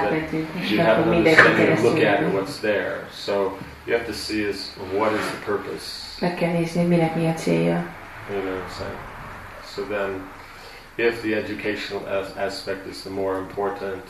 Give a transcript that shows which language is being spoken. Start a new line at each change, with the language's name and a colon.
English: going to take it once, so that you have to look at what's there. So, you have to see is what is the purpose.
Hungarian: Meg kell nézni, minek mi a célja.
English: You know what I'm saying? So then, if the educational aspect is the more important,